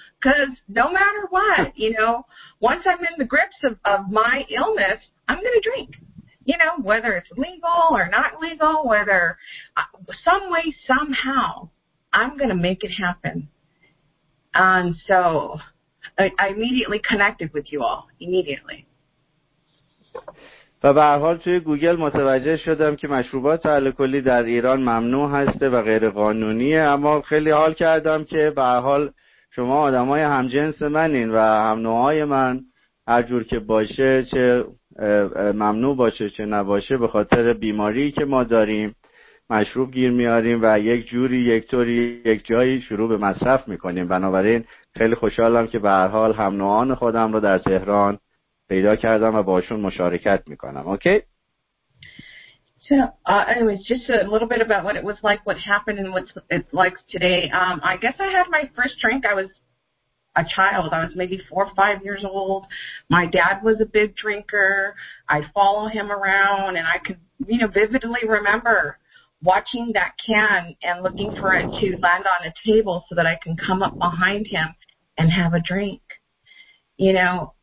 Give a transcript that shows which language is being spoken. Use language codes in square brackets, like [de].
[en] Because no matter what, you know, once I'm in the grips of my illness, I'm going to drink. You know, whether it's legal or not legal, whether some way, somehow, I'm going to make it happen. And so I immediately connected with you all, immediately. [fa] و به هر حال توی گوگل متوجه شدم که مشروبات الکلی در ایران ممنوع هست و غیر قانونیه، اما خیلی حال کردم که به هر حال شما آدم های همجنس منین و هم نوعای من، هر جور که باشه، چه ممنوع باشه چه نباشه، به خاطر بیماری که ما داریم مشروب گیر میاریم و یک جوری یک طوری یک جایی شروع به مصرف میکنیم. بنابراین خیلی خوشحالم که به هر حال هم نوعان خودم رو در تهران پیدا کردم و باشون مشارکت میکنم. اوکی؟ [en] So, anyways, just a little bit about what it was like, what happened, and what it's like today. I guess I had my first drink. I was a child. I was maybe 4 or 5 years old. My dad was a big drinker. I'd follow him around, and I could, you know, vividly remember watching that can and looking for it to land on a table so that I can come up behind him and have a drink, you know.